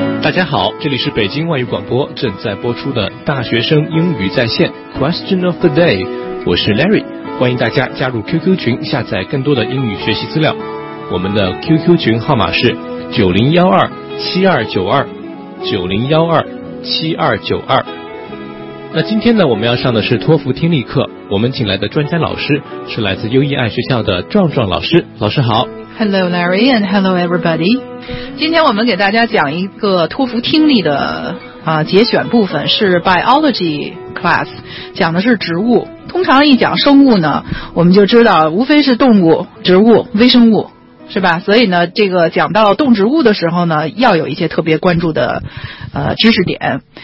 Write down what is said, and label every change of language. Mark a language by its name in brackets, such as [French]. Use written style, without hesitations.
[Chinese] 家好，这里是北京外语广播正在播出的大学生英语在线 Question of the Day， 我是 Larry， 欢迎大家加入 QQ 群，下载更多的英语学习资料。我们的 QQ 群号码是9012-7292 9012-7292。那今天呢，我们要上的是托福听力课，我们请来的专家老师是来自优异爱学校的壮壮老师。老师好。 [English] Hello Larry and hello everybody. [Chinese] 今天我们给大家讲一个托福听力的节选部分，是 biology class， 讲的是植物。通常一讲生物呢，我们就知道无非是动物、植物、微生物，是吧？所以呢，这个讲到动植物的时候呢，要有一些特别关注的知识点。